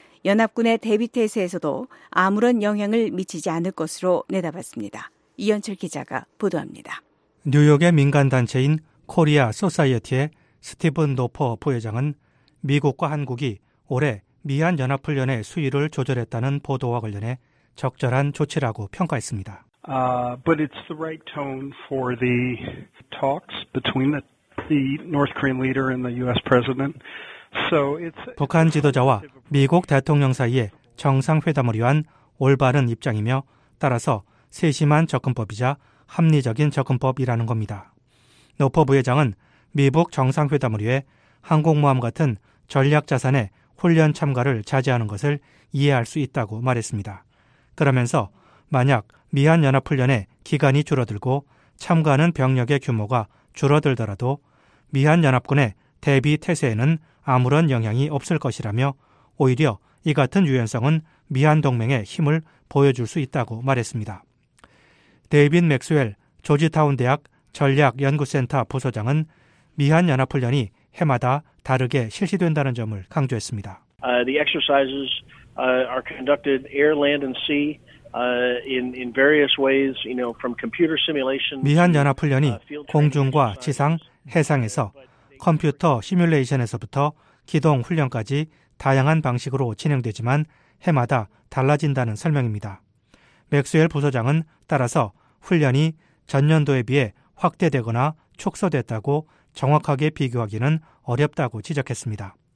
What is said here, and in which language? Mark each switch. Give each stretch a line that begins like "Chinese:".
Korean: 연합군의 대비태세에서도 아무런 영향을 미치지 않을 것으로 내다봤습니다. 이현철 기자가 보도합니다. 뉴욕의 민간단체인 코리아 소사이어티의 스티븐 노퍼 부회장은 미국과 한국이 올해 미한연합훈련의 수위를 조절했다는 보도와 관련해 적절한 조치라고 평가했습니다.
English: But it's the right tone for the talks between the North Korean leader and the U.S. president. So it's
Korean: 북한 지도자와 미국 대통령 사이의 정상회담을 위한 올바른 입장이며 따라서 세심한 접근법이자 합리적인 접근법이라는 겁니다. 노퍼 부회장은 미북 정상회담을 위해 항공모함 같은 전략 자산의 훈련 참가를 자제하는 것을 이해할 수 있다고 말했습니다. 그러면서 만약 미한연합훈련의 기간이 줄어들고 참가하는 병력의 규모가 줄어들더라도 미한연합군의 대비 태세에는 아무런 영향이 없을 것이라며 오히려 이 같은 유연성은 미한동맹의 힘을 보여줄 수 있다고 말했습니다. 데이빈 맥스웰 조지타운 대학 전략연구센터 부소장은 미한연합훈련이 해마다 다르게 실시된다는 점을 강조했습니다.
English: The exercises are conducted air, land, and sea. In various ways, you know, from computer simulation.
Korean: 미한 연합 훈련이 공중과 지상, 해상에서 컴퓨터 시뮬레이션에서부터 기동 훈련까지 다양한 방식으로 진행되지만 해마다 달라진다는 설명입니다. 맥스웰 부소장은 따라서 훈련이 전년도에 비해 확대되거나 축소됐다고 정확하게 비교하기는 어렵다고 지적했습니다.